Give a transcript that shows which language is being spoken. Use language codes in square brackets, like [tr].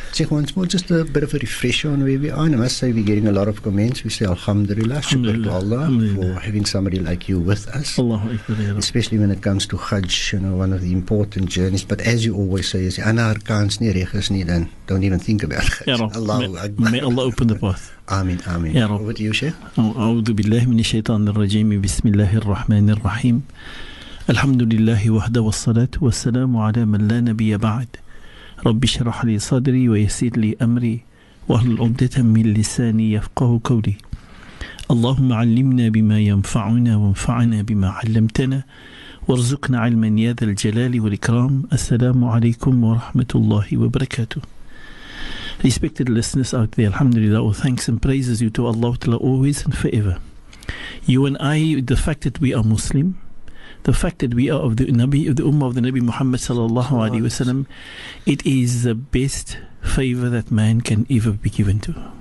[en] Sheikh, once more, just a bit of a refresher on where we are. And I must say, we're getting a lot of comments. We say alhamdulillah, shukr to Allah, for having somebody like you with us. [ar] Allahu Akbar, ya Rabbi. [en] Especially when it comes to Hajj, you know, one of the important journeys. But as you always say, is ana arkans ni rechas ni, then don't even think about Hajj. Allahu Akbar. May Allah open the path. [ar] Amin, amin. Ya Rabbi. [en] Over to you, Sheikh. [ar] أعوذ بالله من الشيطان الرجيم بسم الله الرحمن الرحيم الحمد لله وحده والصلاة والسلام على من لا نبي بعد رب اشرح لي صدري ويسر لي أمري واحلل عقدة من لساني يفقه قولي اللهم علمنا بما ينفعنا وانفعنا بما علمتنا وارزقنا علما يا ذا الجلال والإكرام السلام عليكم ورحمة الله وبركاته. [en] Respected listeners out there, alhamdulillah, all thanks and praises you to Allah Ta'ala always and forever. You and I, the fact that we are Muslim, the fact that we are of the Nabi, of the Ummah of the Nabi Muhammad Sallallahu Alaihi Wasallam, it is the best favor that man can ever be given to.